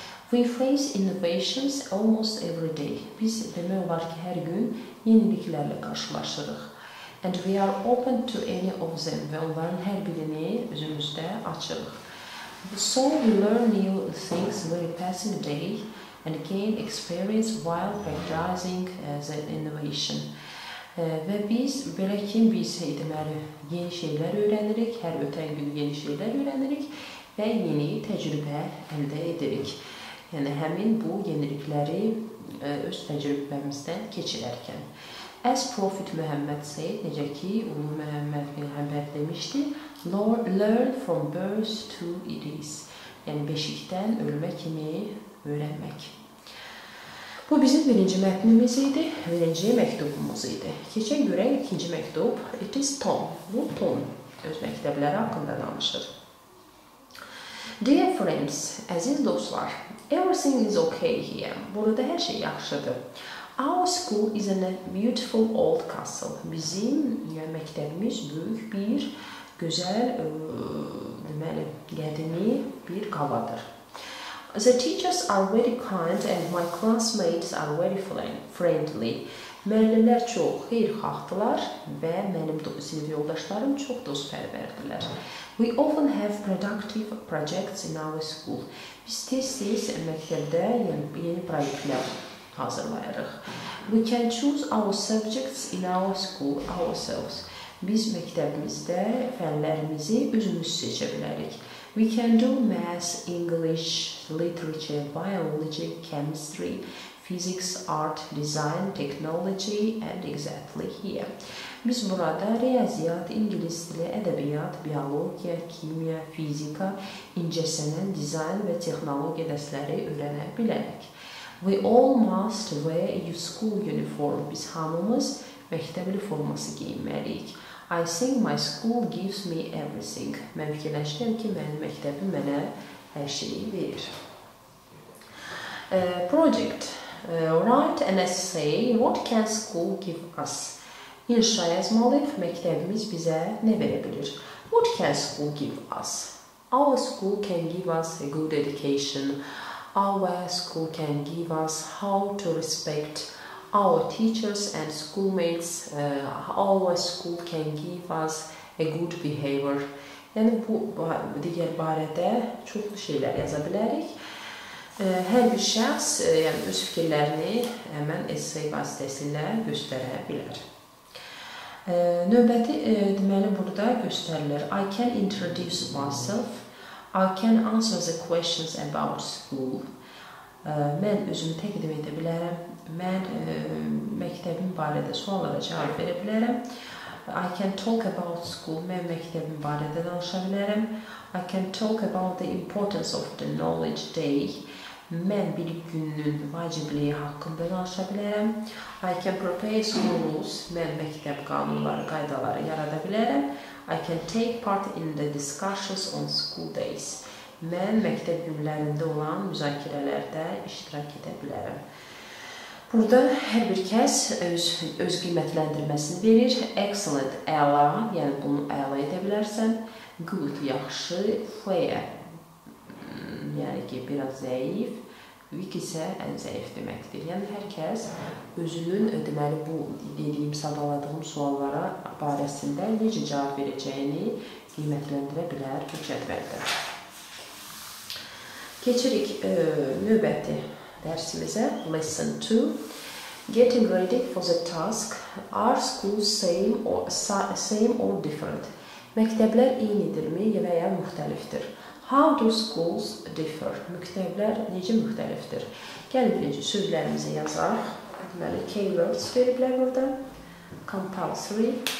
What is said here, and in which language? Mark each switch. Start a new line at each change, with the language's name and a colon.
English: We face innovations almost every day.
Azerbaijani: Biz demək olar ki, hər gün yeniliklərlə qarşılaşırıq.
English: And we are open to any of them.
Azerbaijani: Və onların hər birini özümüzdə açırıq.
English: So we learn new things very passing day and gain experience while practicing the innovation.
Azerbaijani: Və biz belə ki, biz deməli, yeni şeylər öyrənirik, hər ötən gün yeni şeylər öyrənirik və yeni təcrübə əldə edirik. Yəni, həmin bu yenilikləri öz təcrübəmizdən keçirərkən.
English: As Prophet Muhammad said,
Azerbaijani: necə ki, Ulu Muhammad Peyğəmbər demişdi,
English: learn from birth to it is.
Azerbaijani: Yəni, beşikdən ölmə kimi öyrənmək. Bu bizim birinci mətnimiz idi, birinci məktubumuz idi. Keçən görək ikinci məktub,
English: it is Tom.
Azerbaijani: Bu Tom öz məktəbləri haqqında danışır.
English: Dear friends,
Azerbaijani: əziz dostlar,
English: everything is okay here.
Azerbaijani: Burada hər şey yaxşıdır.
English: Our school is in a beautiful old castle.
Azerbaijani: Bizim yəni, məktəbimiz böyük bir, gözəl, deməli, qədimi bir qaladır.
English: The teachers are very kind and my classmates are very friendly.
Azerbaijani: Müəllimlər çox xeyirxahdılar və mənim sinif yoldaşlarım çox dostpərvərdirlər.
English: We often have productive projects in our school.
Azerbaijani: Biz tez-tez məktəbdə yeni proyektlər hazırlayırıq.
English: We can choose our subjects in our school ourselves.
Azerbaijani: Biz məktəbimizdə fənlərimizi özümüz seçə bilərik.
English: We can do math, English, literature, biology, chemistry, physics, art, design, technology and exactly here.
Azerbaijani: Biz burada riyaziyyat, ingilis dili, ədəbiyyat, biologiya, kimya, fizika, incəsənət, dizayn və texnologiya dərsləri öyrənə bilərik.
English: We all must wear a school uniform.
Azerbaijani: Biz hamımız məktəbli forması geyinməliyik.
English: I think my school gives me everything.
Azerbaijani: Mən fikirləşirəm ki, mənim məktəbim mənə hər şeyi verir.
English: Project. Write an essay. What can school give us?
Azerbaijani: İnşa yazmalıyıq, məktəbimiz bizə nə verə bilir?
English: What can school give us? Our school can give us a good education. Our school can give us how to respect our teachers and schoolmates. Our school can give us a good behavior.
Azerbaijani: Yəni, bu digər barədə çox şeylər yaza bilərik. Hər bir şəxs yəni, öz fikirlərini həmən essay vasitəsilə göstərə bilər. Növbəti deməli burada göstərilir.
English: I can introduce myself. I can answer the questions about school.
Azerbaijani: Mən özümü təqdim edə bilərəm. Mən məktəbim barədə suallara cavab verə bilərəm.
English: I can talk about school,
Turkish: ben mektebim bari de danışabilirim.
English: I can talk about the importance of the knowledge day.
Turkish: Ben bilik gününün vacibliği hakkında danışabilirim.
English: I can prepare school rules.
Turkish: Ben mektep kanunları, kaydaları yaratabilirim.
English: I can take part in the discussions on school days.
Turkish: Ben mektep günlerinde olan müzakirelerde iştirak edebilirim.
Azerbaijani: Burada her bir kəs öz qiymətləndirməsini verir. Excellent, əla, yəni bunu əla edə bilərsən. Good, yaxşı. Fair, yəni ki, biraz zəif. Weak isə ən zəif deməkdir. Yəni, hər kəs özünün, deməli, bu dediyim, sadaladığım suallara barəsində necə cavab verəcəyini qiymətləndirə bilər bu cədvəldə. Keçirik növbəti dərsimizə, lesson 2.
English: Getting ready for the task. Are schools same or different?
Azerbaijani: Məktəblər eynidirmi və ya müxtəlifdir?
English: How do schools differ?
Azerbaijani: Məktəblər necə müxtəlifdir? Gəlin birinci sözlərimizi yazaq. Deməli, keywords veriblər burada. Compulsory.